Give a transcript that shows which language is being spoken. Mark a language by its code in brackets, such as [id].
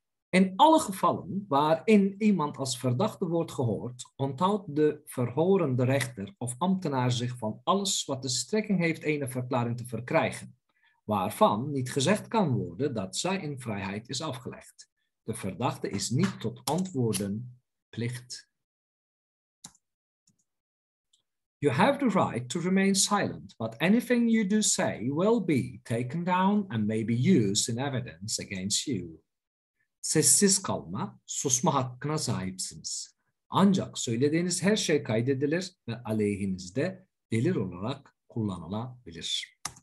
[nl] In alle gevallen waarin iemand als verdachte wordt gehoord, onthoudt de verhorende rechter of ambtenaar zich van alles wat de strekking heeft ene verklaring te verkrijgen, waarvan niet gezegd kan worden dat zij in vrijheid is afgelegd. De verdachte is niet tot antwoorden plicht. [en] You have the right to remain silent, but anything you do say will be taken down and may be used in evidence against you. [tr] Sessiz kalma, susma hakkına sahipsiniz. Ancak söylediğiniz her şey kaydedilir ve aleyhinizde delil olarak kullanılabilir.